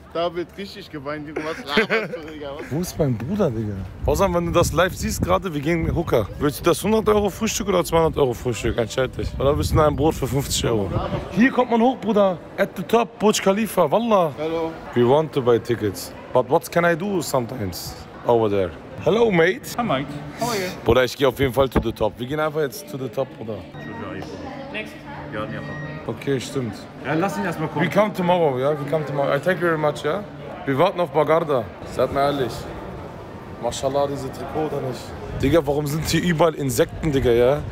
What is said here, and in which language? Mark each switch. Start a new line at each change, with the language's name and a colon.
German: Da wird richtig geweint. Wo ist mein Bruder, Digga? Außer wenn du das live siehst gerade, wir gehen mit Hooker. Willst du das 100 Euro Frühstück oder 200 Euro Frühstück? Entscheid dich. Oder willst du ein Brot für 50 Euro? Hier kommt man hoch, Bruder.
English: At the top, Burj Khalifa, wallah. Hello. We want to buy tickets. But what can I do sometimes over there? Hello, mate. Hi, Mike. How are you?
German: Bruder, ich gehe auf jeden Fall
English: to the top.
German: Wir gehen einfach jetzt to the top, Bruder.
English: Next.
German: Ja, okay, stimmt. Ja, lass ihn erstmal kommen.
English: We come tomorrow, ja? Yeah? We come tomorrow. I thank you very much, ja? Yeah?
German: Wir warten auf Bagarda. Seid mir ehrlich. Mashallah, diese Trikot oder nicht? Digga, warum sind hier überall Insekten, Digga, ja? Yeah?